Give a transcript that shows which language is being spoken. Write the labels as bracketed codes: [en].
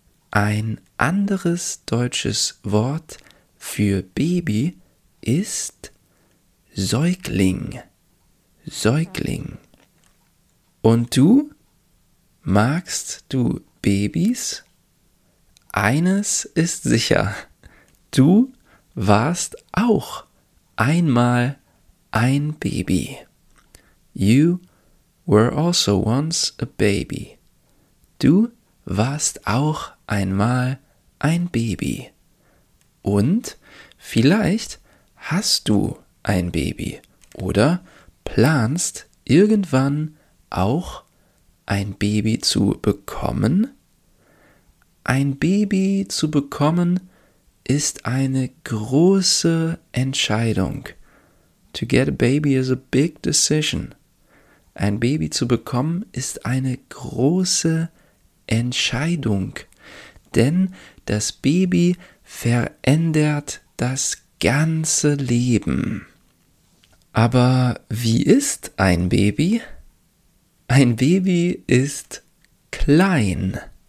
[de] Ein anderes deutsches Wort für Baby ist Säugling. Säugling. Und du? Magst du Babys? Eines ist sicher, du warst auch einmal ein Baby. [en] You were also once a baby. [de] Du warst auch einmal ein Baby. Und vielleicht hast du ein Baby oder planst irgendwann auch ein Baby zu bekommen. Ein Baby zu bekommen ist eine große Entscheidung. [en] To get a baby is a big decision. [de] Ein Baby zu bekommen ist eine große Entscheidung, denn das Baby verändert das ganze Leben. Aber wie ist ein Baby? Ein Baby ist klein.